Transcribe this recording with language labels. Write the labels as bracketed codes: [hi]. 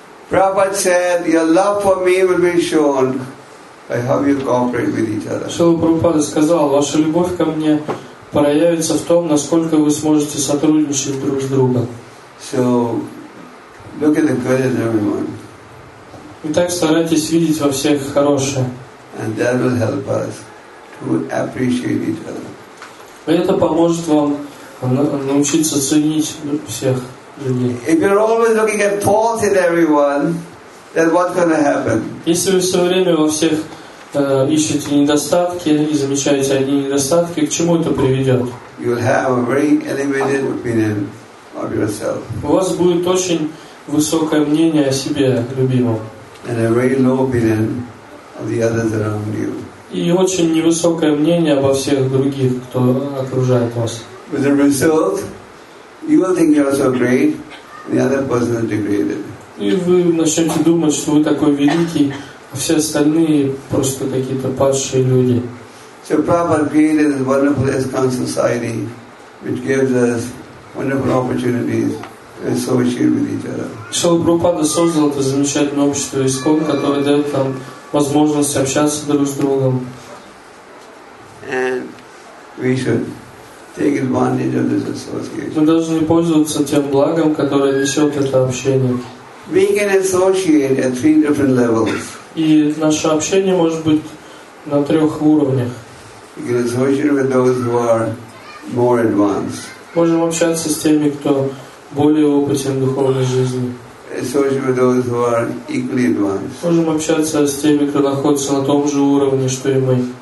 [ru] Шрила Прабхупада сказал, ваша любовь ко мне проявится в том, насколько вы сможете сотрудничать друг с другом. [en] So, look at the good in everyone. [ru] Итак, старайтесь видеть во всех хорошее. [en] And that will help us to appreciate each other. [ru] Это поможет вам научиться ценить всех людей. [en] If you're always looking at fault in everyone, then what's going to happen? [ru] Если вы все время во всех ищете недостатки и замечаете одни недостатки, к чему это приведет? [en] You'll have a very elevated opinion. [ru] У вас будет очень высокое мнение о себе, любимом. [en] And a very low opinion of the others around you. [ru] И очень невысокое мнение обо всех других, кто окружает вас. [en] With the result, you will think you're so great, and the other person is degraded. [ru] И вы начнете думать, что вы такой великий, а все остальные просто какие-то падшие люди. [en] So Prabhupada created this wonderful ISKCON society, which gives us wonderful opportunities to associate with each other. [ru] Шрила Прабхупада создал это замечательное общество ИСКОН, которое дает нам возможность общаться друг с другом. [en] And we should take advantage of this association. [ru] Мы должны пользоваться тем благом, которое несет это общение. [en] We can associate at three different levels. [ru] И наше общение может быть на трех уровнях. [en] We can associate with those who are more advanced. [ru] Можем общаться с теми, кто более опытен в духовной жизни. Можем общаться с теми, кто находится на том же уровне, что и мы.